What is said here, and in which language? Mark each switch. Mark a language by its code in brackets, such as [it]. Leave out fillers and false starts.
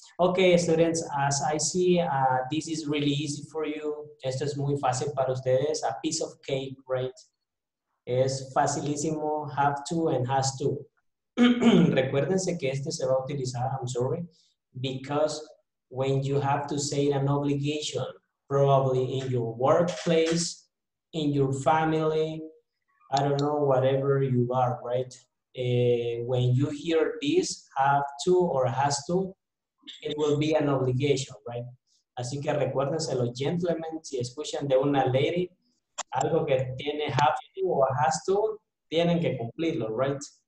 [en] Okay, students, as I see, this is really easy for you. [es] Esto es muy fácil para ustedes, [en] a piece of cake, right? [es] Es facilísimo, have to and has to. Recuérdense que este se va a utilizar, [en] I'm sorry, because when you have to say an obligation, probably in your workplace, in your family, I don't know, whatever you are, right? When you hear this, have to or has to, it will be an obligation, right? [es] Así que recuérdenselo, gentlemen, si escuchan de una lady, algo que tiene have to or has to, tienen que cumplirlo, [en] right?